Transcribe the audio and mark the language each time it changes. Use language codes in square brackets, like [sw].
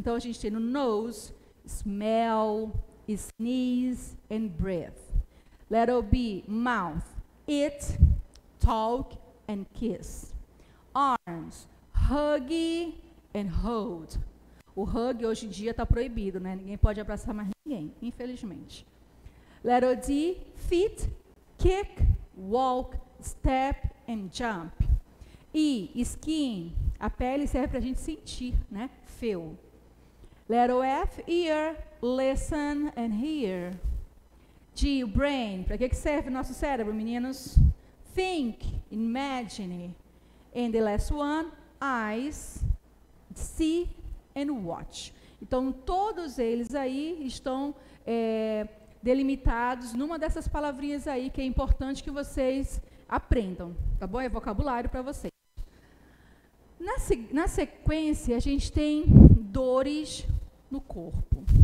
[pt] Então, a gente tem no [en] nose, smell, sneeze, and breath. [pt] Letra B, [en] mouth, eat, talk, and kiss. Arms, hug, and hold. [pt] O hug, hoje em dia, está proibido, né? Ninguém pode abraçar mais ninguém, infelizmente. Letra D, [en] feet, kick, walk, step, and jump. [pt] E, skin, a pele serve para a gente sentir, né? Feel. Letra F, [en] ear, listen and hear. [pt] G, brain, para que serve nosso cérebro, meninos? [en] Think, imagine. And the last one, eyes, see and watch. [pt] Então, todos eles aí estão delimitados numa dessas palavrinhas aí que é importante que vocês aprendam, tá bom? É vocabulário para vocês. Na sequência, a gente tem dores no corpo.